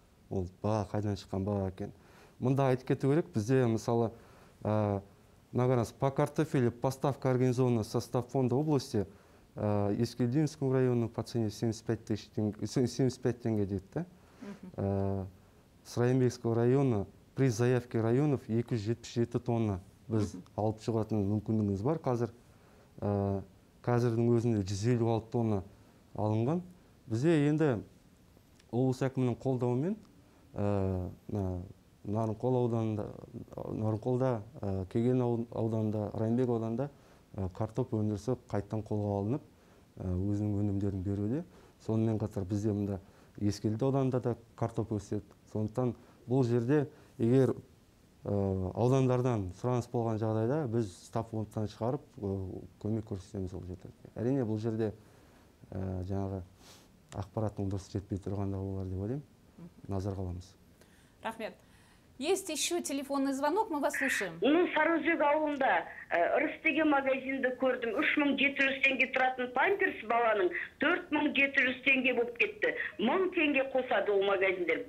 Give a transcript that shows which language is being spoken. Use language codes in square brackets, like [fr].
[kk] Ол баға қайдан шыққан баға екен. Мында айтып кету керек, бізде мысалы [ru] по картофелю поставка организована со состав фонда области Искельдинскому району по цене 75 тенге, [kk] дейді, да? [ru] С Райымбекского района при заявке районов 277 тонна. [kk] Біз алып шығатын мүмкіндігіміз бар қазір. Қазірдің өзінде 156 тонна алынған. Бізде енді облыс әкімінің қолдауымен Нарынқол ауданында, Кеген ауданында, Райымбек ауданында картоп өндірісі қайттан қолға алынып, өзінің өнімдерін беруде. Сонымен қатар бізде мында Ескелді ауданында да картоп өседі. Сондықтан бұл жерде егер аудандардан сұраныс болған жағдайда, біз стаф фондтан шығарып көмек көрсетеміз ол жерде. Әрине, бұл жерде жаңағы ақпараттың дұрыс жетпей тұрғанда болар деп ойлаймын. Назар қаламыз. Рахмет. [ru] Есть еще телефонный звонок, мы вас слушаем. [kk] Ну, Сарыөзек ауылында Ырыстеген магазинді көрдім. 3700 теңге тұратын памперс баланың 4700 теңге болып кетті. 1000 теңге қосады ол магазиндер.